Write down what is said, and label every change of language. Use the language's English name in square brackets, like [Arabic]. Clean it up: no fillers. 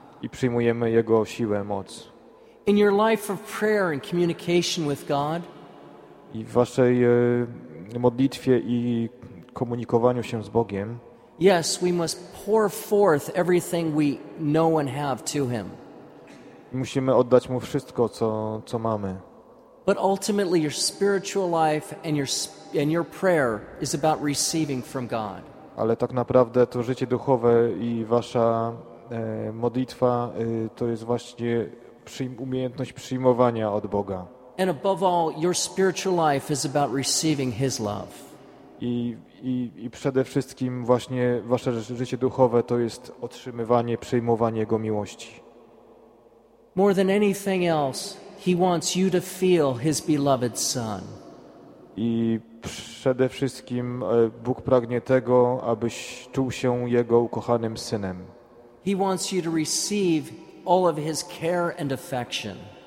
[Polish] I przyjmujemy Jego siłę, moc. [English] In your life of prayer and communication with God. [Polish] I w waszej modlitwie i komunikowaniu się z Bogiem. [English] Yes, we must pour forth everything we know and have to Him. [Polish] Musimy oddać Mu wszystko, co mamy. [English] But ultimately, your spiritual life and your prayer is about receiving from God. [Polish] Ale tak naprawdę to życie duchowe i wasza modlitwa to jest właśnie umiejętność przyjmowania od Boga. [English] And above all, your spiritual life is about receiving His love. [Polish] I przede wszystkim właśnie wasze życie duchowe to jest otrzymywanie, przyjmowanie Jego miłości. [English] More than anything else, He wants you to feel His beloved Son. [Polish] I przede wszystkim Bóg pragnie tego, abyś czuł się Jego ukochanym synem. [English] He wants you to receive all of His care and affection.